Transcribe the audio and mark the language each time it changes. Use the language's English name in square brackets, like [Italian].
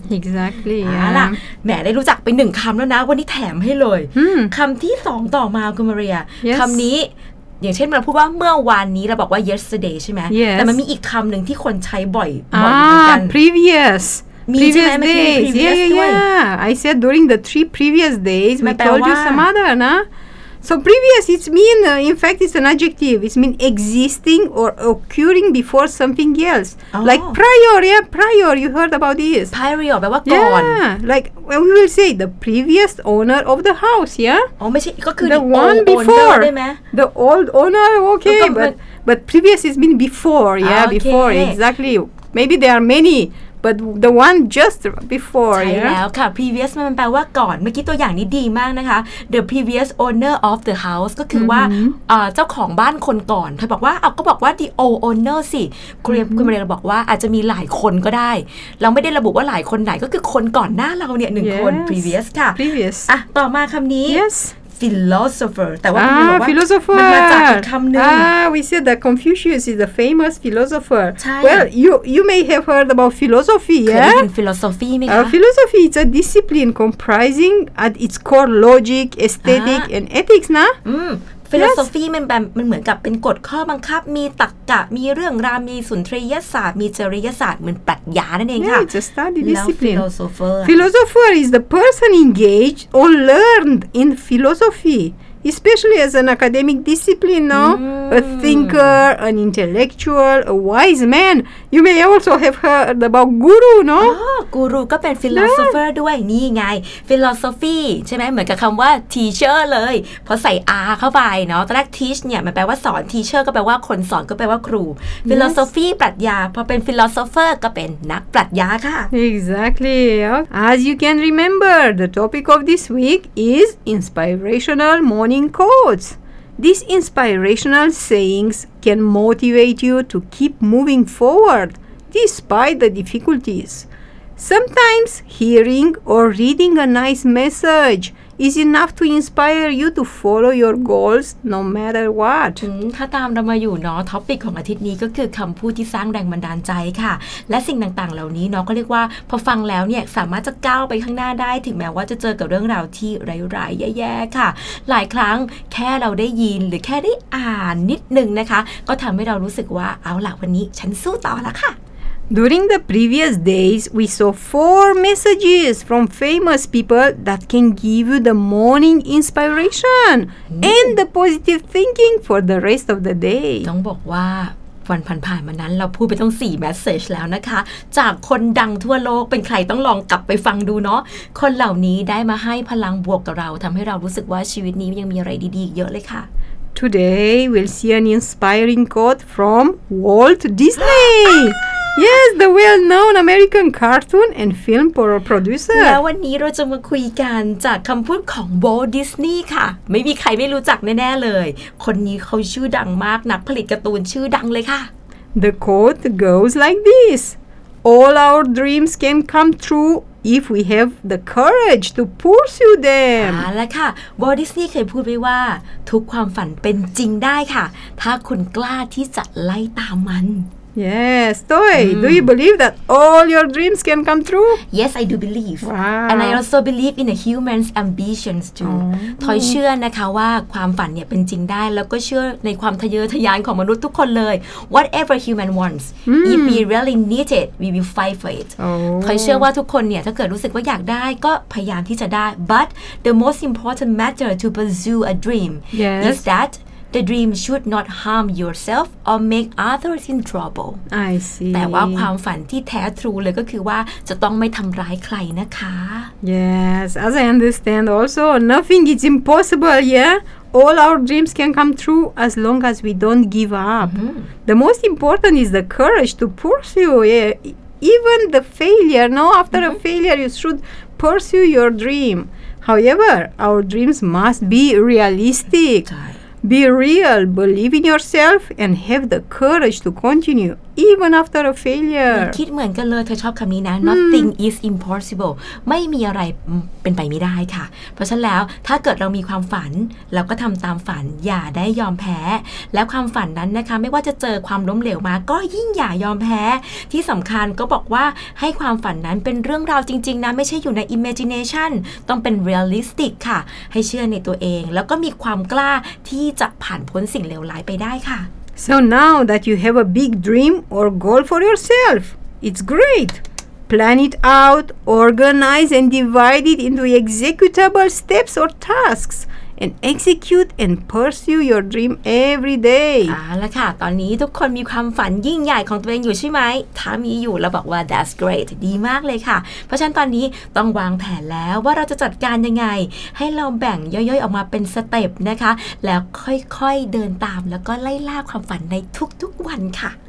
[English] Exactly [Thai] ล่ะแม่ได้รู้จักไปหนึ่งคำแล้วนะวันนี้แถมให้เลยคำที่สองต่อมาคุณมาเรียคำนี้อย่างเช่นเราพูดว่าเมื่อวานนี้เราบอกว่า yesterday ใช่ไหม [English] yes. [Thai] แต่มันมีอีกคำหนึ่งที่คนใช้บ่อยบ่อยเหมือนกัน [English] previous [Thai] มีใช่ไหมเมื่อกี้ previous [English] yeah, yeah, yeah. I said during the three previous days we told you some other นะ so previous it's mean in fact it's an adjective it's mean existing or occurring before something else like prior yeah prior you heard about this [Thai] prior แปลว่าก่อน [English] yeah like when we will say the previous owner of the house yeah [Thai] oh ไม่ใช่ก็คือ [English] the one before the old owner okay but previous is mean before yeah before exactly maybe there are manybut the one just before [Thai] ใช่ [English] yeah? [Thai] แล้วค่ะ previous มันแปลว่าก่อนเมื่อกี้ตัวอย่างนี้ดีมากนะคะ [English] the previous owner of the house [Thai] ก็คือว่าเจ้าของบ้านคนก่อนเธอบอกว่าเอาก็บอกว่า [English] the old owner [Thai] สิคุณมาเรียบอกว่าอาจจะมีหลายคนก็ได้เราไม่ได้ระบุว่าหลายคนไหนก็คือคนก่อนหน้าเราเนี่ยหนึ่งคน previous ค่ะ [English] previous [Thai] อ่ะต่อมาคำนี้ [English] yes [Thai] philosopher แต่ว่า คุณบอกว่า philosopher มันมาจากอีกคำหนึ่ง [English] we said that Confucius is a famous philosopher [Thai] ใช่ [English] well you may have heard about philosophy [Thai] เคยได้ยิน philosophy ไหมคะ [English] philosophy it's a discipline comprising at its core logic aesthetic and ethics นะ philosophy yes. [Thai] มันเหมือนกับเป็นกฎข้อบังคับมีตรรกะมีเรื่องราวมีสุนทรียศาสตร์มีจริยศาสตร์เหมือนปรัชญานั่นเองค่ะ [English] yeah, study discipline philosopher philosopher is the person engaged or learned in philosophy especially as an academic discipline no a thinker an intellectual a wise man you may also have heard about guru no [Thai] guru ก็เป็น philosopher ด้วยนี่ไง philosophy ใช่ไหมเหมือนกับคำว่า teacher เลยพอใส่ r เข้าไปเนาะตอนแรก teach เนี่ยมันแปลว่าสอน teacher ก็แปลว่าคนสอนก็แปลว่าครู philosophy ปรัชญาพอเป็น philosopher ก็เป็นนักปรัชญาค่ะ [English] exactly as you can remember the topic of this week is inspirational morning quotes these inspirational sayings can motivate you to keep moving forward despite the difficulties sometimes hearing or reading a nice message is enough to inspire you to follow your goals no matter what [Thai] ถ้าตามเรามาอยู่เนาะท็อปิกของอาทิตย์นี้ก็คือคำพูดที่สร้างแรงบันดาลใจค่ะและสิ่งต่างๆเหล่านี้เนาะก็เรียกว่าพอฟังแล้วเนี่ยสามารถจะก้าวไปข้างหน้าได้ถึงแม้ว่าจะเจอกับเรื่องราวที่ร้ายๆแย่ๆค่ะหลายครั้งแค่เราได้ยินหรือแค่ได้อ่านนิดนึงนะคะก็ทำให้เรารู้สึกว่าเอาล่ะวันนี้ฉันสู้ต่อละค่ะ [English] During the previous days, we saw four messages from famous people that can give you the morning inspiration and the positive thinking for the rest of the day. [Thai] ต้องบอกว่าวันผ่านๆมานั้นเราพูดไปต้อง4 message แล้วนะคะจากคนดังทั่วโลกเป็นใครต้องลองกลับไปฟังดูเนาะคนเหล่านี้ได้มาให้พลังบวกกับเราทำให้เรารู้สึกว่าชีวิตนี้ยังมีอะไรดีๆเยอะเลยค่ะ [English] Today, we'll see an inspiring quote from Walt Disney. Yes, the well-known American cartoon and film producer. [Thai] แล้ววันนี้เราจะมาคุยกันจากคำพูดของ Walt Disney ค่ะไม่มีใครไม่รู้จักแน่ๆเลยคนนี้เขาชื่อดังมากนักผลิตการ์ตูนชื่อดังเลยค่ะ [English] The quote goes like this. All our dreams can come true. If we have the courage to pursue them. [Thai] แล้วค่ะ Walt Disney เคยพูดไว้ว่าทุกความฝันเป็นจริงได้ค่ะถ้าคุณกล้าที่จะไล่ตามมัน [English] Yes, Toy, do you believe that all your dreams can come true? Yes, I do believe. Wow. And I also believe in a human's ambitions too. [Thai] Toy เชื่อนะคะว่าความฝันเนี่ยเป็นจริงได้แล้วก็เชื่อในความทะเยอทะยานของมนุษย์ทุกคนเลย [English] Whatever human wants, if we really need it, we will fight for it. [Thai] Toy เชื่อว่าทุกคนเนี่ยถ้าเกิดรู้สึกว่าอยากได้ก็พยายามที่จะได้ [English] But the most important matter to pursue a dream is thatThe dream should not harm yourself or make others in trouble. I see. [Thai] แต่ว่าความฝันที่แท้ true เลยก็คือว่าจะต้องไม่ทำร้ายใครนะคะ [English] Yes, as I understand also, nothing is impossible, yeah? All our dreams can come true as long as we don't give up. The most important is the courage to pursue, yeah? Even the failure, no? After a failure, you should pursue your dream. However, our dreams must be realistic. Be real, believe in yourself, and have the courage to continue even after a failure. [Thai] คิดเหมือนกันเลยเธอชอบคำนี้นะ [English] Nothing is impossible. [Thai] ไม่มีอะไรเป็นไปไม่ได้ค่ะเพราะฉะนั้นแล้วถ้าเกิดเรามีความฝันเราก็ทำตามฝันอย่าได้ยอมแพ้แล้วความฝันนั้นนะคะไม่ว่าจะเจอความล้มเหลวมาก็ยิ่งอย่ายอมแพ้ที่สำคัญก็บอกว่าให้ความฝันนั้นเป็นเรื่องราวจริงๆนะไม่ใช่อยู่ใน imagination ต้องเป็น realistic ค่ะให้เชื่อในตัวเองแล้วก็มีความกล้าที่จะผ่านพ้นสิ่งเลวร้ายไปได้ค่ะ [English] So now that you have a big dream or goal for yourself, it's great. Plan it out, organize and divide it into executable steps or tasks, and execute and pursue your dream every day. [Thai] เอาละค่ะตอนนี้ทุกคนมีความฝันยิ่งใหญ่ของตัวเองอยู่ใช่ไหมถ้ามีอยู่เราบอกว่า [English] that's great [Thai] ดีมากเลยค่ะเพราะฉะนั้นตอนนี้ต้องวางแผนแล้วว่าเราจะจัดการยังไงให้เราแบ่งย่อยๆออกมาเป็นสเต็ปนะคะแล้วค่อยๆเดินตามแล้วก็ไล่ล่าความฝันในทุกๆวันค่ะ